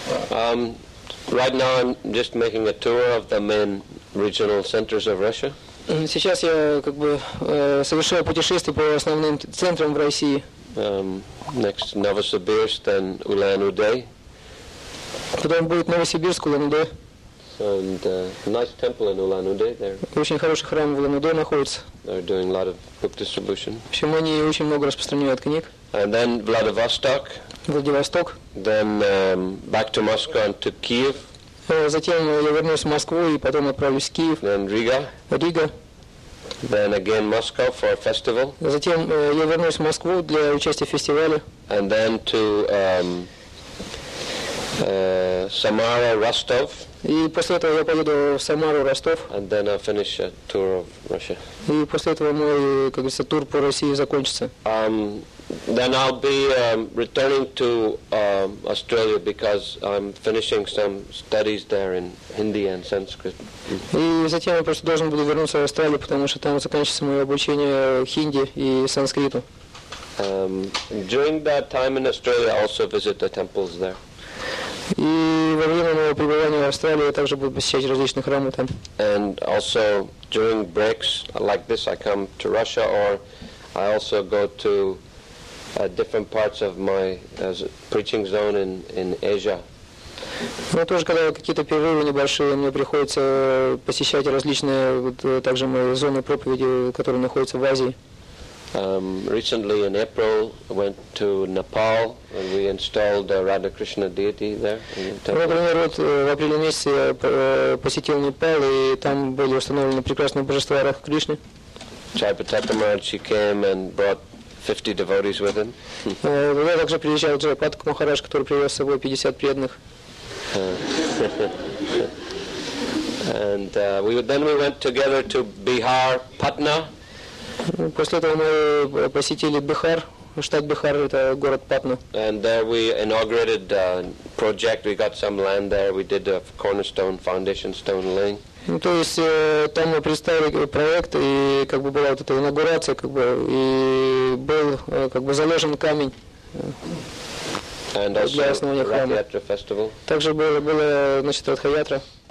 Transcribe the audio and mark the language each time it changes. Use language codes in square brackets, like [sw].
[en] Right now I'm just making a tour of the main regional centers of Russia. [ru] Сейчас я как бы совершаю путешествие по основным центрам в России. [en] Next Novosibirsk, then Ulan-Ude. [ru] Потом будет Новосибирск, Улан-Удэ. [en] And nice temple in Ulan-Ude there. [ru] Очень хороший храм в Улан-Удэ находится. [en] They're doing a lot of book distribution. [ru] В общем, они очень много распространяют книг. [en] And then Vladivostok. [ru] Владивосток. [en] Then back to Moscow and to Kiev. [ru] Затем я вернусь в Москву и потом отправлюсь в Киев. [en] Then Riga. [ru] Рига. [en] Then again Moscow for a festival. [ru] Затем я вернусь в Москву для участия в фестивале. [en] And then to Самара, Ростов. [ru] И после этого я поеду в Самару, Ростов. [en] And then I'll finish a tour of Russia. [ru] И после этого мой, как говорится, тур по России закончится. [en] Then I'll be returning to Australia because I'm finishing some studies there in Hindi and Sanskrit. [ru] И затем я просто должен буду вернуться в Австралию, потому что там заканчивается мое обучение хинди и санскриту. [en] During that time in Australia, I also visit the temples there. [ru] И во время моего пребывания в Австралии я также буду посещать различные храмы там. [en] And also during breaks like this, I come to Russia, or I also go to different parts of my preaching zone in Asia. [ru] Ну тоже когда какие-то перерывы небольшие, мне приходится посещать различные также мои зоны проповеди, которые находятся в Азии. [en] Recently in April, I went to Nepal and we installed a Radha Krishna deity there. [ru] Например, вот в апреле месяце я посетил Непал и там были установлены прекрасные божества Радха Кришны. [en] Chaitanya Maharaj, she came and brought 50 devotees with him. [ru] Туда также приезжал Джайпад Махарадж, который привез с собой 50 преданных. [en] And then we went together to Bihar, Patna. [ru] После этого мы посетили Бихар, штат Бихар, это город Патна. [en] And there we inaugurated a project, we got some land there, we did a cornerstone foundation stone laying. [ru] Ну, то есть там мы представили проект, и как бы была вот эта инаугурация, как бы, и был как бы заложен камень для основания храма. Также было, значит, Радхаятра.